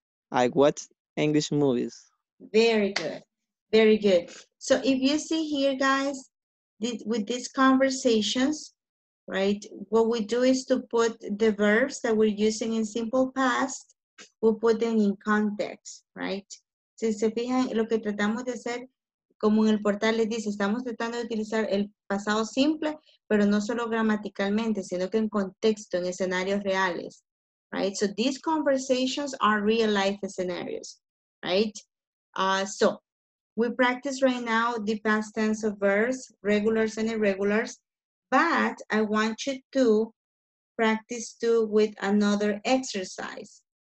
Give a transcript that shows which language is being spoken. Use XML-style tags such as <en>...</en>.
<en>I watch English movies. Very good. Very good. So if you see here, guys, with these conversations, right, what we do is to put the verbs that we're using in simple past, we'll put them in context, right?</en> <es>Si se fijan, lo que tratamos de hacer, como en el portal les dice, estamos tratando de utilizar el pasado simple, pero no solo gramaticalmente, sino que en contexto, en escenarios reales,</es> <en>right? So these conversations are real life scenarios, right? So we practice right now the past tense of verbs, regulars and irregulars, but I want you to practice too with another exercise.</en>